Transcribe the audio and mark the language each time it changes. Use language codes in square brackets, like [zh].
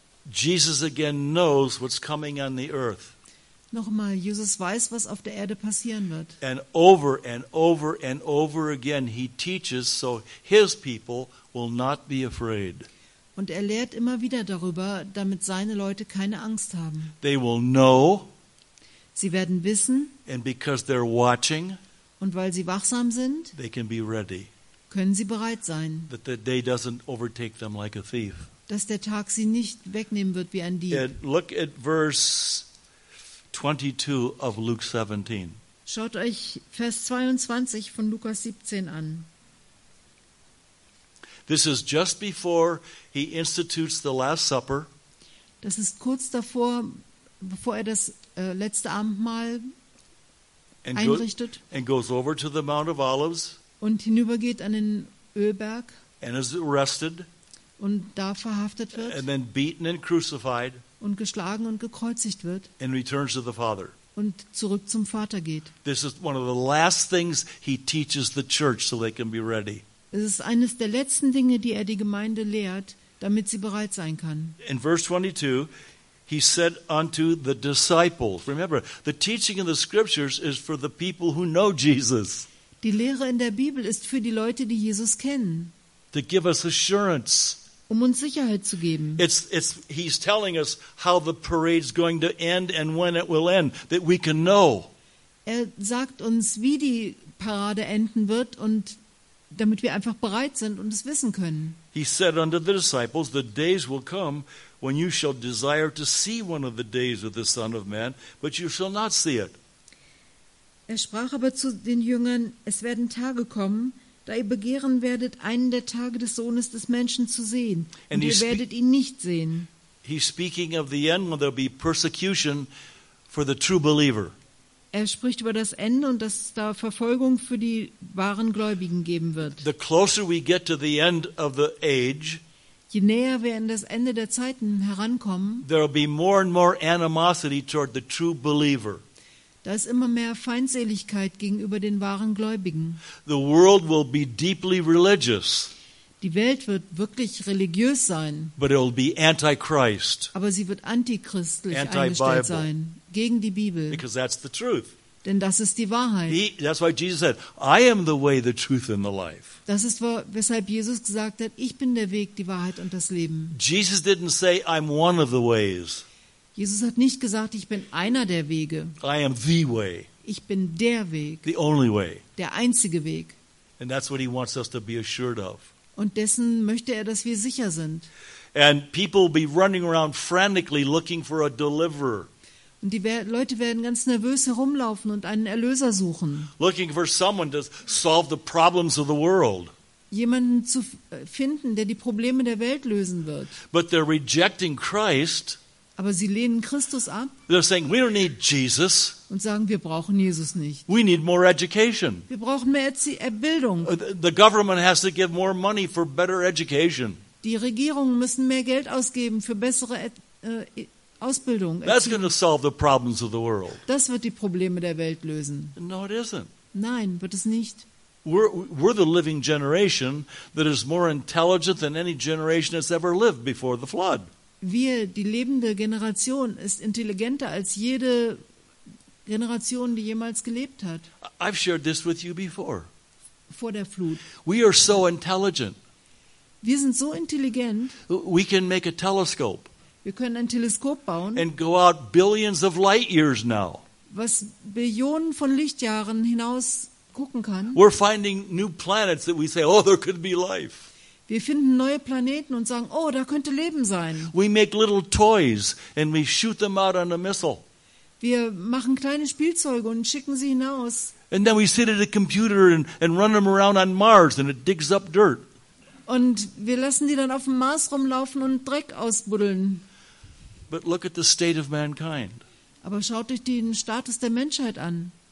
[en] Jesus again knows what's coming on the earth. [de] Nochmal, Jesus weiß, was auf der Erde passieren wird. [en] And over and over and over again he teaches so his people will not be afraid. [de] Und er lehrt immer wieder darüber, damit seine Leute keine Angst haben. [en] They will know. [de] Sie werden wissen. [en] And because they're watching. [de] Und weil sie wachsam sind. [en] They can be ready. [de] Können sie bereit sein. [en] That the day doesn't overtake them like a thief. [de] Dass der Tag sie nicht wegnehmen wird wie ein Dieb. [en] Look at verse 22 of Luke 17. [de] Schaut euch Vers 22 von Lukas 17 an. [en] This is just before he institutes the Last Supper. [de] Das ist kurz davor, bevor er das letzte Abendmahl einrichtet. [en] And goes over to the Mount of Olives. [de] Und hinübergeht an den Ölberg. [en] And is arrested. [de] Und da verhaftet wird, [en] and then beaten and crucified, [de] und geschlagen und gekreuzigt wird, [en] and returns to the Father. [de] Und zurück zum Vater geht. [en] This is one of the last things he teaches the church so they can be ready. [de] Es ist eines der letzten Dinge, die er die Gemeinde lehrt, damit sie bereit sein kann. [en] In verse 22, he said unto the disciples. Remember, the teaching in the scriptures is for the people who know Jesus. [de] Die Lehre in der Bibel ist für die Leute, die Jesus kennen. [en] To give us assurance. [de] Um uns Sicherheit zu geben. [en] He's telling us how the parade's going to end and when it will end, that we can know. [de] Er sagt uns, wie die Parade enden wird und damit wir einfach bereit sind und es wissen können. [en] He said unto the disciples, the days will come when you shall desire to see one of the days of the Son of Man, but you shall not see it. [de] Er sprach aber zu den Jüngern, es werden Tage kommen, da ihr begehren werdet, einen der Tage des Sohnes des Menschen zu sehen, und ihr werdet ihn nicht sehen. [en] He's speaking of the end when there'll be persecution for the true believer. [de] Er spricht über das Ende und dass da Verfolgung für die wahren Gläubigen geben wird. [en] The closer we get to the end of the age, [de] je näher wir an das Ende der Zeiten herankommen, [en] there'll be more and more animosity toward the true believer. [de] Da ist immer mehr Feindseligkeit gegenüber den wahren Gläubigen. [en] The world will be deeply religious. [de] Die Welt wird wirklich religiös sein. [en] But it will be anti-Christ. [de] Aber sie wird antichristlich eingestellt sein. Gegen die Bibel. [en] Because that's the truth. [de] Denn das ist die Wahrheit. [en] That's why Jesus said, I am the way, the truth and the life. [de] Das ist, weshalb Jesus gesagt hat, ich bin der Weg, die Wahrheit und das Leben. [en] Jesus didn't say, I'm one of the ways. [de] Jesus hat nicht gesagt, ich bin einer der Wege. [en] I am the way. [de] Ich bin der Weg. [en] The only way. [de] Der einzige Weg. [en] And that's what he wants us to be assured of. [de] Und dessen möchte er, dass wir sicher sind. [en] And people will be running around frantically looking for a deliverer. [de] Und die Leute werden ganz nervös herumlaufen und einen Erlöser suchen. [en] Looking for someone to solve the problems of the world. [de] Jemanden zu finden, der die Probleme der Welt lösen wird. [en] But they're rejecting Christ. [de] Aber sie lehnen Christus ab. [en] They're saying, we don't need Jesus. [de] Und sagen, wir brauchen Jesus nicht. [en] We need more education. [de] Wir brauchen mehr Bildung. [en] The government has to give more money for better education. [de] Die Regierungen müssen mehr Geld ausgeben für bessere Ausbildung. [en] That's going to solve the problems of the world. [de] Das wird die Probleme der Welt lösen. [en] No, it isn't. [de] Nein, wird es nicht. [en] We're the living generation that is more intelligent than any generation that's ever lived before the flood. [de] Wir, die lebende Generation, ist intelligenter als jede Generation, die jemals gelebt hat. [en] I've shared this with you before. [de] Vor der Flut. [en] We are so intelligent. [de] Wir sind so intelligent. [en] We can make a telescope. [de] Wir können ein Teleskop bauen. [en] And go out billions of light years now. [de] Was Billionen von Lichtjahren hinaus gucken kann. [en] We're finding new planets that we say, oh, there could be life. [de] Wir finden neue Planeten und sagen, oh, da könnte Leben sein. [en] We make little toys and we shoot them out on a missile. [de] Wir machen kleine Spielzeuge und schicken sie hinaus. [en] And then we sit at a computer and run them around on Mars and it digs up dirt. [de] Und wir lassen die dann auf dem Mars rumlaufen und Dreck ausbuddeln. [en] But look at the state of mankind. [de] Aber schaut euch den Status der Menschheit an.